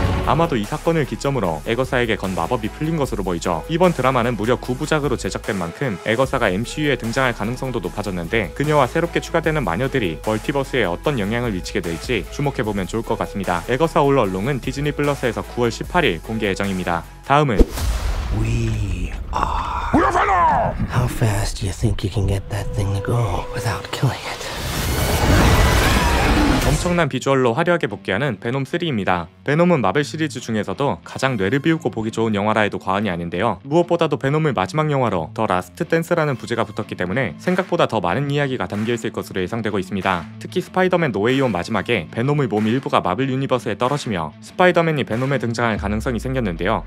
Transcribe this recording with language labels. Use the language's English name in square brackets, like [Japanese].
[Korean] 아마도 이 사건을 기점으로 에거사에게 건 마법이 풀린 것으로 보이죠. 이번 드라마는 무려 9부작으로 제작된 만큼 에거사가 MCU에 등장할 가능성도 높아졌는데 그녀와 새롭게 추가되는 마녀들이 멀티버스에 어떤 영향을 미치게 될지 주목해보면 좋을 것 같습니다. 에거사 올 얼롱은 디즈니 플러스에서 9월 18일 공개 예정입니다. 다음은 [English] We are We are How fast do you think you can get that thing to go without killing it? [Korean] 엄청난 비주얼로 화려하게 복귀하는 베놈3입니다. 베놈은 마블 시리즈 중에서도 가장 뇌를 비우고 보기 좋은 영화라 해도 과언이 아닌데요. 무엇보다도 베놈의 마지막 영화로 더 라스트 댄스라는 부제가 붙었기 때문에 생각보다 더 많은 이야기가 담겨있을 것으로 예상되고 있습니다. 특히 스파이더맨 노웨이온 마지막에 베놈의 몸 일부가 마블 유니버스에 떨어지며 스파이더맨이 베놈에 등장할 가능성이 생겼는데요.